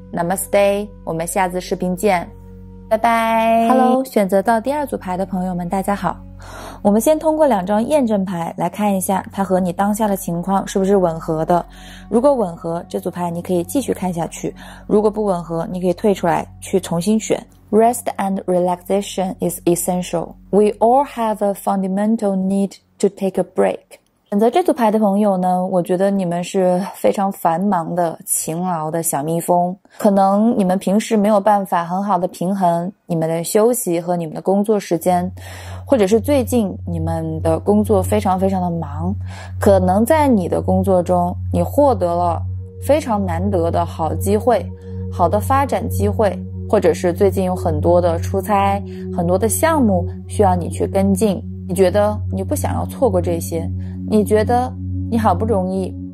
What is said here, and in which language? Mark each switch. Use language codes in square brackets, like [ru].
[zh] Namaste， 我们下次视频见，拜拜。 Hello， 选择到第二组牌的朋友们大家好，我们先通过两张验证牌来看一下它和你当下的情况是不是吻合的。如果吻合，这组牌你可以继续看下去，如果不吻合，你可以退出来去重新选。 [en] Rest and relaxation is essential. We all have a fundamental need to take a break. [zh] 选择这组牌的朋友呢，我觉得你们是非常繁忙的勤劳的小蜜蜂，可能你们平时没有办法很好的平衡你们的休息和你们的工作时间，或者是最近你们的工作非常非常的忙，可能在你的工作中你获得了非常难得的好机会、好的发展机会，或者是最近有很多的出差、很多的项目需要你去跟进，你觉得你不想要错过这些，你觉得你好不容易